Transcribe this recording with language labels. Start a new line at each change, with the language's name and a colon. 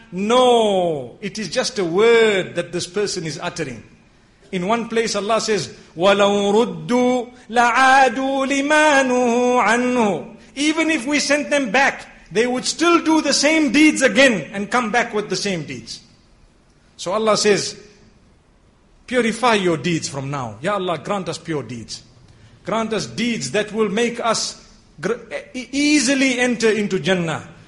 English: No, it is just a word that this person is uttering. In one place Allah says,
Arabic: وَلَوْ رُدُّوا لَعَادُوا لِمَا نُهُوا عَنْهُ.
English: Even if we sent them back, they would still do the same deeds again and come back with the same deeds. So Allah says, purify your deeds from now. Ya Allah, grant us pure deeds. Grant us deeds that will make us easily enter into Jannah.